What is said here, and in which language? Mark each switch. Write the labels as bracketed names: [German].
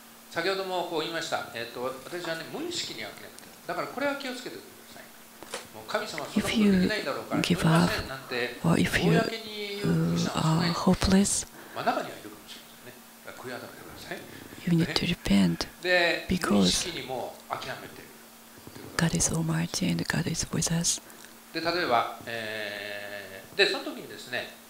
[Japanese] 先ほどもこう言いました。私はね、無意識にやってなくて、だからこれは気をつけてください。もう神様はそんなことできないだろうから、 [English] give up, [Japanese] なんて公に言うことは、 [English] hopeless, [Japanese] 中にはいるかもしれませんね。だから悔い改めてください。 [English] You need to repent, [Japanese] で、 [English] because [Japanese] 無意識にも諦めて、 [English] God is almighty and God is with us. [Japanese] で、例えば、で、その時にですね、